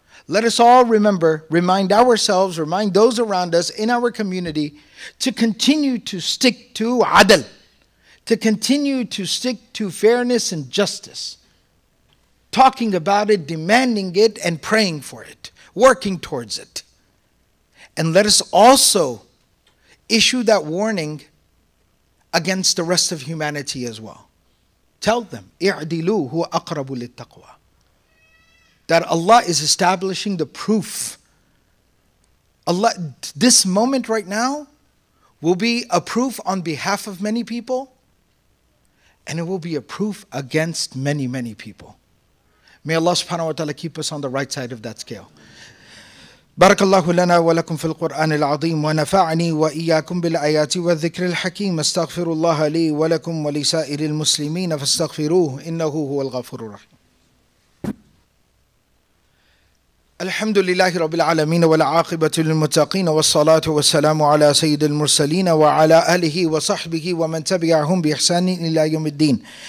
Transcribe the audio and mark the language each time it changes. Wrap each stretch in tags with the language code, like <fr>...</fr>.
<en>Let us all remember, remind ourselves, remind those around us in our community to continue to stick to adl, to continue to stick to fairness and justice. Talking about it, demanding it, and praying for it, working towards it. And let us also issue that warning against the rest of humanity as well. Tell them,</en> <ar>اعدلوا هو أقرب للتقوى.</ar> <en>That Allah is establishing the proof. Allah, this moment right now will be a proof on behalf of many people, and it will be a proof against many, many people. May Allah subhanahu wa ta'ala keep us on the right side of that scale.</en> <ar>بارك الله لنا ولكم في القرآن العظيم ونفعني وإياكم بالآيات والذكر الحكيم استغفر الله لي ولكم ولسائر المسلمين فاستغفروه إنه هو الغفور الرحيم الحمد لله رب العالمين والعاقبة للمتقين والصلاة والسلام على سيد المرسلين وعلى آله وصحبه ومن تبعهم بإحسان إلى يوم الدين</ar>